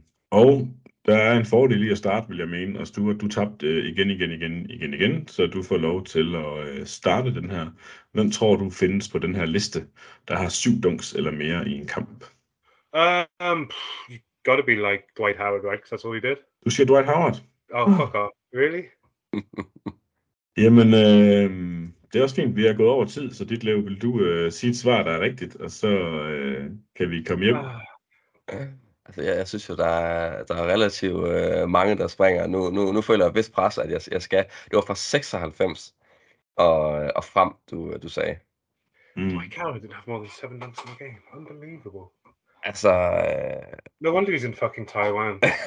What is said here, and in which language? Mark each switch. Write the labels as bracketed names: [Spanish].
[Danish] Og der er en fordel lige at starte, vil jeg mene, og Stuart, du tabte igen, så du får lov til at starte den her. Hvem tror du findes på den her liste, der har 7 dunks eller mere i en kamp? [English] You gotta be like Dwight Howard, right? Because that's all he did. [Danish] Du siger Dwight Howard? [English] Oh, fuck off. Really? [Danish] Jamen, det er også fint, vi har gået over tid, så dit liv, vil du sige et svar, der er rigtigt, og så kan vi komme hjem. Altså, jeg synes jo, der er relativt mange, der springer. Nu føler jeg vist pres, at jeg skal. Det var fra 96 og frem, du sagde. [English] Dwight Howard didn't have more than 7 dunks in the game. Unbelievable. [Danish] Altså... [English] No wonder he's in fucking Taiwan.